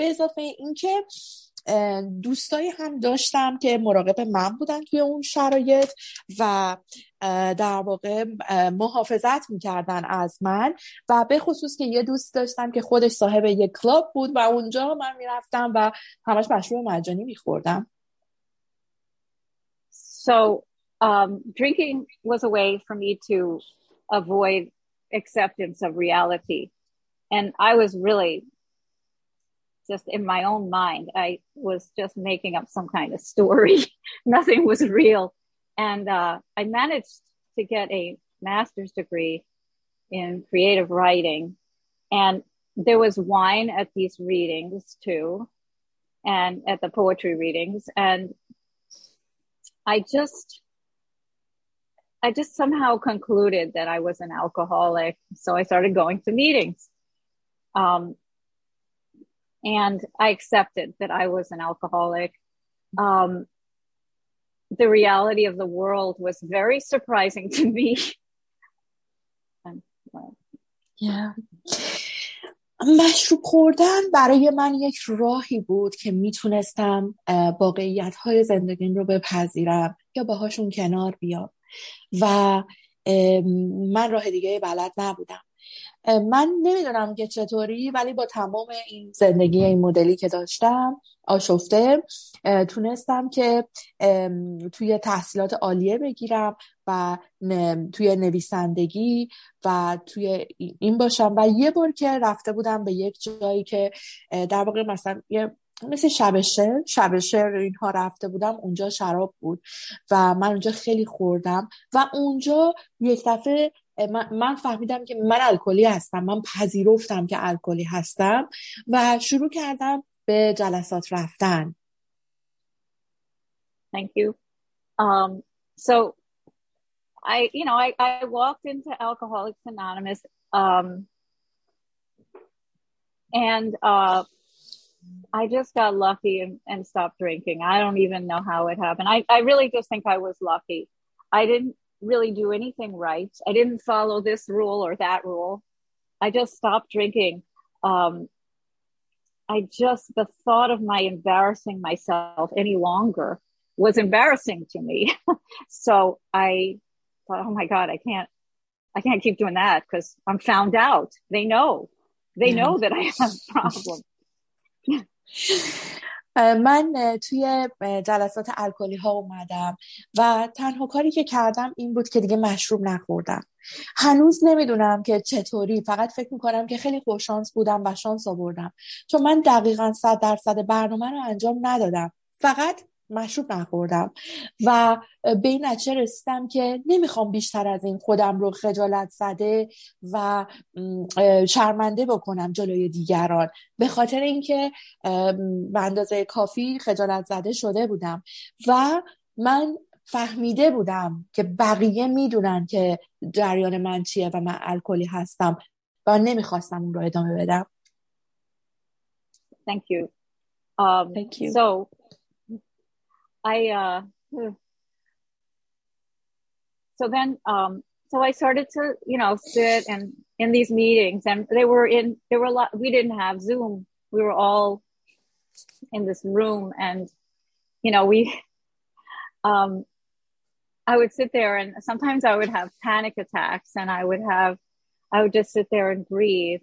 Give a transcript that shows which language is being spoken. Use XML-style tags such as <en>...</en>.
<fa>به اضافه اینکه دوستایی هم داشتم که مراقب من بودن توی اون شرایط و در واقع محافظت میکردن از من، و به خصوص که یه دوست داشتم که خودش صاحب یه کلاب بود و اونجا من میرفتم و همش مشروب مجانی میخوردم.</fa> <en>So drinking was a way for me to avoid acceptance of reality. And I was really just in my own mind. I was just making up some kind of story. Nothing was real. And I managed to get a master's degree in creative writing. And there was wine at these readings too, and at the poetry readings. And I just somehow concluded that I was an alcoholic, so I started going to meetings. And I accepted that I was an alcoholic. The reality of the world was very surprising to me. Yeah.</en> <fa>مشروب خوردن برای من یک راهی بود که میتونستم واقعیت‌های زندگیم رو بپذیرم یا باهاشون کنار بیام، و من راه دیگه بلد نبودم. من نمیدونم که چطوری، ولی با تمام این زندگی این مدلی که داشتم آشفته، تونستم که توی تحصیلات عالیه بگیرم و توی نویسندگی و توی این باشم. و یه بار که رفته بودم به یک جایی که در واقع مثلا یه مثل شب شعر اینها رفته بودم، اونجا شراب بود و من اونجا خیلی خوردم، و اونجا یک دفعه من فهمیدم که من الکلی هستم. من پذیرفتم که الکلی هستم و شروع کردم به جلسات رفتن.</fa> <en>Thank you. So I walked into Alcoholics Anonymous, and I just got lucky and stopped drinking. I don't even know how it happened. I really just think I was lucky. I didn't really do anything right. I didn't follow this rule or that rule. I just stopped drinking. The thought of my embarrassing myself any longer was embarrassing to me. So I thought, oh my God, I can't keep doing that because I'm found out. They know that I have a problem.</en> <fa>من توی جلسات الکلی ها اومدم و تنها کاری که کردم این بود که دیگه مشروب نخوردم. هنوز نمیدونم که چطوری، فقط فکر میکنم که خیلی خوششانس بودم و شانس آوردم، چون من دقیقا 100% برنامه رو انجام ندادم، فقط مشروب نخوردم و به این نتیجه رسیدم که نمیخوام بیشتر از این خودم رو خجالت زده و شرمنده بکنم جلوی دیگران، به خاطر اینکه به اندازه کافی خجالت زده شده بودم و من فهمیده بودم که بقیه میدونن که جریان من چیه و من الکلی هستم و نمیخواستم اون رو ادامه بدم.</fa> <en>Thank you. Thank you. So I so then so I started to, you know, sit and in these meetings, and they were in there were a lot, we didn't have Zoom. We were all in this room, and you know, we I would sit there, and sometimes I would have panic attacks, and I would just sit there and breathe.</en>